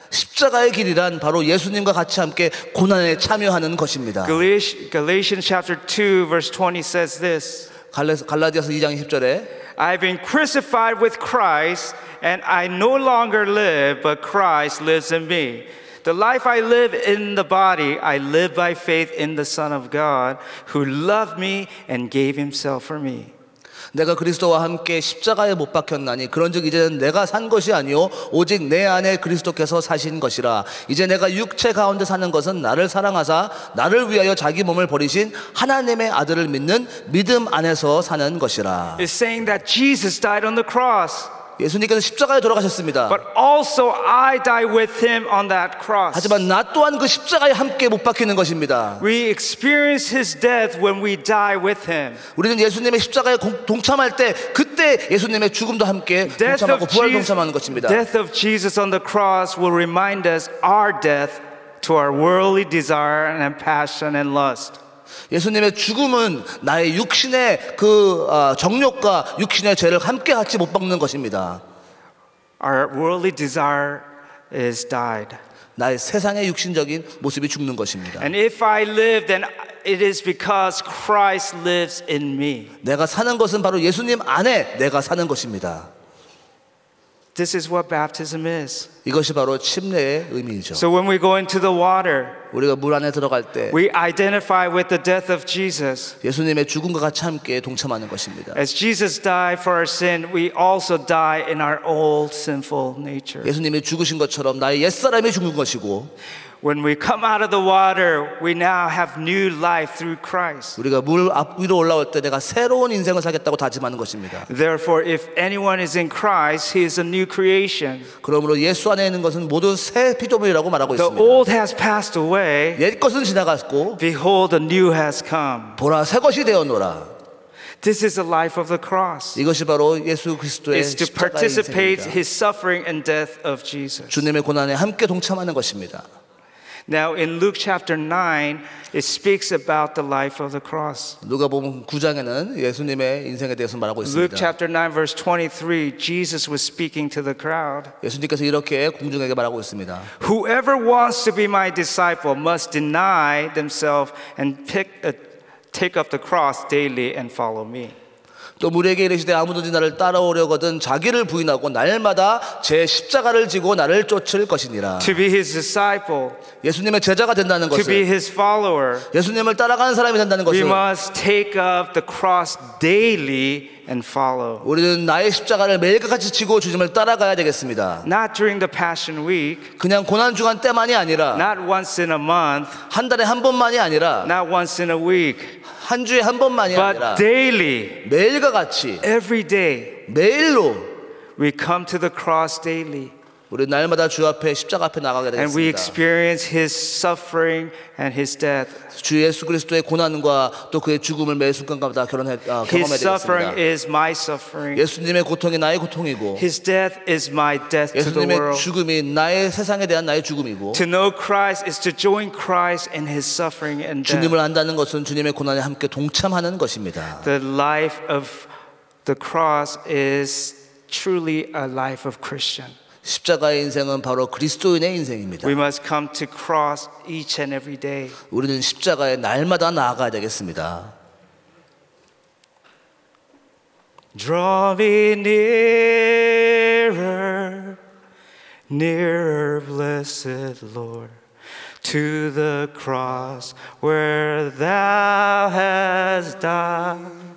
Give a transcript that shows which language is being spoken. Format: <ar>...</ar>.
<ko>십자가의 길이란 바로 예수님과 같이 함께 고난에 참여하는 것입니다.</ko> <en>Galatians chapter 2 verse 20 says this.</en> <ko>갈라디아서 2장 20절에</ko> <en>I've been crucified with Christ and I no longer live but Christ lives in me. The life I live in the body, I live by faith in the Son of God who loved me and gave himself for me.</en> <ko>내가 그리스도와 함께 십자가에 못 박혔나니 그런즉 이제는 내가 산 것이 아니오 오직 내 안에 그리스도께서 사신 것이라 이제 내가 육체 가운데 사는 것은 나를 사랑하사 나를 위하여 자기 몸을 버리신 하나님의 아들을 믿는 믿음 안에서 사는 것이라.</ko> <en>It's saying that Jesus died on the cross.</en> <ko>예수님께서 십자가에 돌아가셨습니다.</ko> <en>But also I die with him on that cross.</en> <ko>하지만 나 또한 그 십자가에 함께 못 박히는 것입니다.</ko> <en>We experience his death when we die with him.</en> <ko>우리는 예수님의 십자가에 동참할 때 그때 예수님의 죽음도 함께 동참하고 부활 동참하는 것입니다.</ko> <en>Death of Jesus on the cross will remind us our death to our worldly desire and passion and lust.</en> <ko>예수님의 죽음은 나의 육신의 그 정욕과 육신의 죄를 함께 같이 못 박는 것입니다.</ko> <en>Our worldly desire is died.</en> <ko>나의 세상의 육신적인 모습이 죽는 것입니다.</ko> <en>And if I live, then it is because Christ lives in me.</en> <ko>내가 사는 것은 바로 예수님 안에 내가 사는 것입니다.</ko> <en>This is what baptism is.</en> <ko>이것이 바로 침례의 의미죠.</ko> <en>So when we go into the water,</en> <ko>우리가 물 안에 들어갈 때,</ko> <en>we identify with the death of Jesus.</en> <ko>예수님의 죽음과 같이 함께 동참하는 것입니다.</ko> <en>As Jesus died for our sin, we also die in our old sinful nature.</en> <ko>예수님이 죽으신 것처럼 나의 옛사람이 죽은 것이고,</ko> <en>when we come out of the water, we now have new life through Christ.</en> <ko>우리가 물 앞 위로 올라올 때 내가 새로운 인생을 살겠다고 다짐하는 것입니다.</ko> <en>Therefore, if anyone is in Christ, he is a new creation.</en> <ko>그러므로 예수 안에 있는 것은 모든 새 피조물이라고 말하고 있습니다.</ko> <en>The old has passed away.</en> <ko>옛 것은 지나갔고,</ko> <en>behold, the new has come.</en> <ko>보라 새 것이 되었노라.</ko> <en>This is the life of the cross.</en> <ko>이것이 바로 예수 그리스도의 십자가 인생입니다.</ko> <en>It's to participate his suffering and death of Jesus.</en> <ko>주님의 고난에 함께 동참하는 것입니다.</ko> <en>Now in Luke chapter 9, it speaks about the life of the cross.</en> <ko>누가복음 9장에는 예수님의 인생에 대해서 말하고 있습니다.</ko> <en>Luke chapter 9, verse 23, Jesus was speaking to the crowd.</en> <ko>예수님께서 이렇게 공중에게 말하고 있습니다.</ko> <en>Whoever wants to be my disciple must deny themselves and take up the cross daily and follow me.</en> <ko>또 무리에게 이르시되 아무든지 나를 따라오려거든 자기를 부인하고 날마다 제 십자가를 지고 나를 쫓을 것이니라.</ko> <en>To be his disciple,</en> <ko>예수님의 제자가 된다는 것은</ko> <en>to be his follower,</en> <ko>예수님을 따라가는 사람이 된다는 것은</ko> <en>we must take up the cross daily and follow.</en> <ko>우리는 나의 십자가를 매일같이 지고 주님을 따라가야 되겠습니다.</ko> <en>Not during the passion week,</en> <ko>그냥 고난 중간 때만이 아니라</ko> <en>not once in a month,</en> <ko>한 달에 한 번만이 아니라</ko> <en>not once in a week,</en> <ko>한 주에 한 번만이</ko> <en>But</en> <ko>아니라</ko> <en>daily,</en> <ko>매일과 같이</ko> <en>every day,</en> <ko>매일로</ko> <en>we come to the cross daily,</en> <ko>우리 날마다 주 앞에 십자가 앞에 나가게 되겠습니다.</ko> <en>And we experience his suffering and his death.</en> <ko>주 예수 그리스도의 고난과 또 그의 죽음을 매 순간마다 경험해야 되겠습니다.</ko> <en>His suffering is my suffering.</en> <ko>예수님의 고통이 나의 고통이고</ko> <en>his death is my death to the world.</en> <ko>예수님의 죽음이 나의 세상에 대한 나의 죽음이고</ko> <en>to know Christ is to join Christ in his suffering and death.</en> <ko>주님을 안다는 것은 주님의 고난에 함께 동참하는 것입니다.</ko> <en>The life of the cross is truly a life of Christian.</en> <ko>십자가의 인생은 바로 그리스도인의 인생입니다.</ko> <en>We must come to cross each and every day.</en> <ko>우리는 십자가에 날마다 나아가야 되겠습니다.</ko> <en>Draw me nearer, nearer, blessed Lord, to the cross where thou hast died.</en>